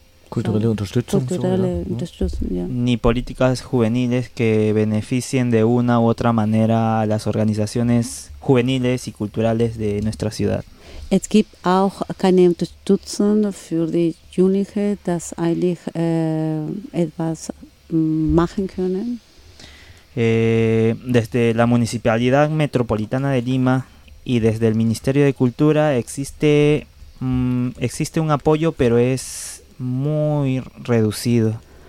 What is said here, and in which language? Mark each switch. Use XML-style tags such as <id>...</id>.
<de>Kulturelle Unterstützung. Kulturelle so, Unterstützung, ja.</de> <es>Ni políticas juveniles que beneficien de una u otra manera a las organizaciones juveniles y culturales de nuestra ciudad.</es> <de>Es gibt auch keine Unterstützung für die Jugendliche, dass eigentlich etwas machen können.</de> <es>Desde la Municipalidad Metropolitana de Lima y desde el Ministerio de Cultura existe un apoyo, pero es muy reducido.</es>